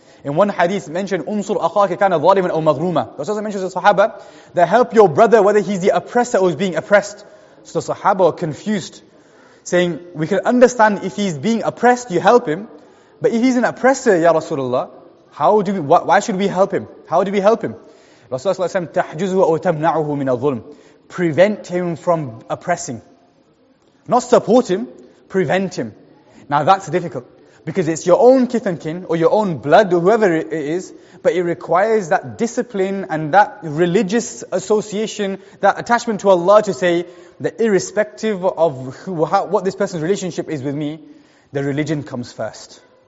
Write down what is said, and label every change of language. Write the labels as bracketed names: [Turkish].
[English] In one hadith mentioned, [Arabic] Unsur akhaka kana zaliman aw maghruma. [English] Rasulullah also mentions the Sahaba that help your brother whether he's the oppressor or is being oppressed. So the Sahaba are confused, saying, we can understand if he's being oppressed, you help him. But if he's an oppressor, Ya Rasulullah, why should we help him? How do we help him? Rasulullah said, [Arabic] تَحْجُزُهُ أَوْ تَمْنَعُهُ مِنَ الظُّلْمِ. [English] Prevent him from oppressing. Not support him, prevent him. Now that's difficult. Because it's your own kith and kin, or your own blood, or whoever it is, but it requires that discipline and that religious association, that attachment to Allah to say that irrespective of what this person's relationship is with me, the religion comes first.